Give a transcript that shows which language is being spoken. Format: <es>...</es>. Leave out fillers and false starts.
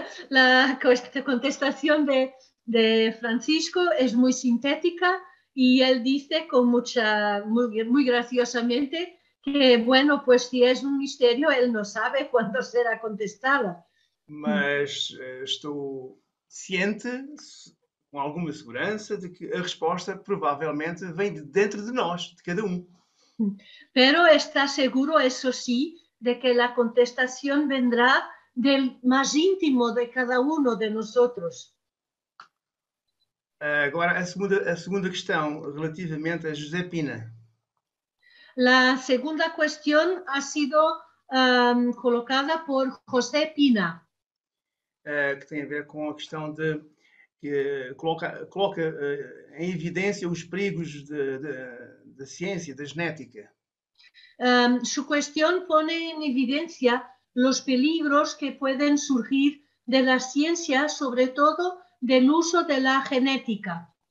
<pt>A contestação de Francisco é muito sintética e ele diz, com muito graciosamente, que,</pt> <es>bueno, pues si es un misterio, él no sabe cuándo será contestada.</es> <pt>Mas estou ciente, com alguma segurança, de que a resposta provavelmente vem de dentro de nós, de cada um.</pt> <es>Pero está seguro, eso sí, de que la contestación vendrá del más íntimo de cada uno de nosotros.</es> <pt>Agora, a segunda questão, relativamente a José Pina.</pt> <es>La segunda cuestión ha sido colocada por José Pina.</es> <pt>Que tem a ver com a questão de que coloca em evidência os perigos da ciência, da genética.</pt> <es>Su cuestión pone en evidencia los peligros que pueden surgir de la ciencia, sobre todo del uso de la genética.</es>